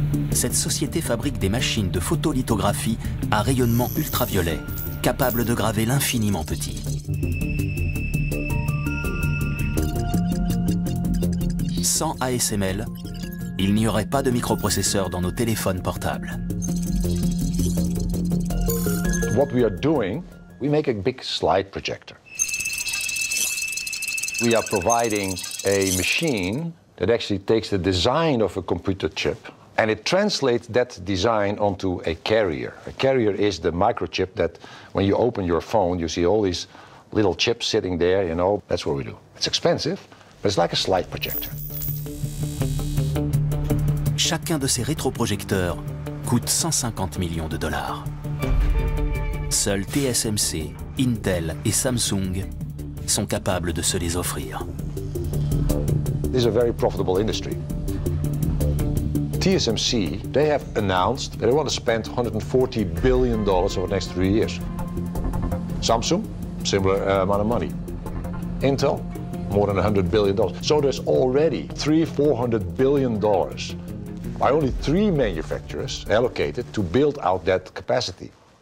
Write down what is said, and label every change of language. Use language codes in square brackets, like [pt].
[fr] Cette société fabrique des machines de photolithographie à rayonnement ultraviolet, capables de graver l'infiniment petit. Sans ASML, il n'y aurait pas de microprocesseurs dans nos téléphones portables. [en] What we are doing, we make a big slide projector. We are providing a machine that actually takes the design of a computer chip and it translates that design onto a carrier. A carrier is the microchip that when you open your phone, you see all these little chips sitting there, you know, that's what we do. It's expensive, but it's like a slide projector. [fr] Chacun de ces rétroprojecteurs coûte 150 millions de dollars. Seuls TSMC, Intel et Samsung sont capables de se les offrir. [en] This is a very profitable industry. TSMC, they have announced that they want to spend $140 billion over the next 3 years. Samsung, similar amount of money. Intel, more than $100 billion. So there's already $300-400 billion by only 3 manufacturers allocated to build out that capacity.